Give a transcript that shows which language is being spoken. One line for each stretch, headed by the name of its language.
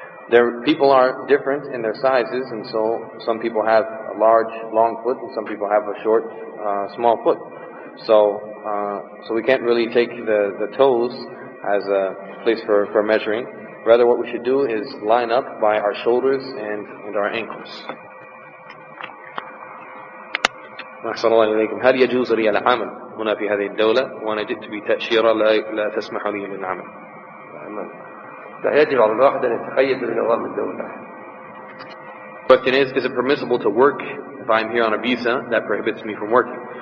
English: Their people are different in their sizes, and so some people have a large, long foot, and some people have a short, small foot. So we can't really take the toes as a place for measuring. Rather, what we should do is line up by our shoulders and our ankles.
Arabic: أحسن الله إليكم. هل يجوز لي العمل هنا في هذه الدولة وأنا جئت بتأشيرة لا تسمح لي بالعمل؟ لا يجب على الواحد أن يتقيد بنظام الدولة.
English: Question is it permissible to work if I'm here on a visa that prohibits me from working?